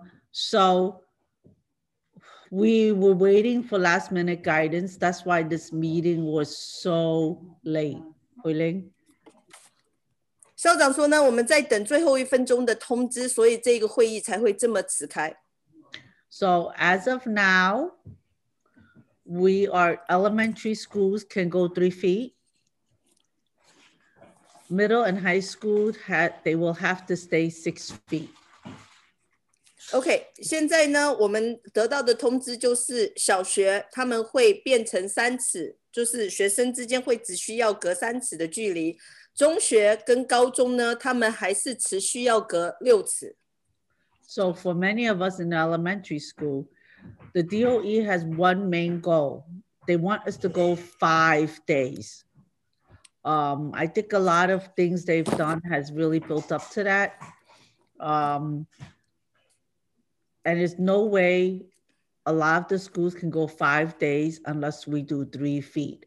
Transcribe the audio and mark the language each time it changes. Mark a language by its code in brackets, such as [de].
[en] So we were waiting for last minute guidance. That's why this meeting was so late. Huiling. [zh] 校长说呢, 我们在等最后一分钟的通知, 所以这个会议才会这么迟开。 [en] So as of now, we are elementary schools can go 3 feet. Middle and high school had they will have to stay 6 feet. [zh] Okay, 现在呢，我们得到的通知就是小学他们会变成3尺，就是学生之间会只需要隔3尺的距离。中学跟高中呢，他们还是持续要隔6尺。 [en] So for many of us in elementary school, the DOE has one main goal. They want us to go 5 days. I think a lot of things they've done has really built up to that. And there's no way a lot of the schools can go 5 days unless we do 3 feet.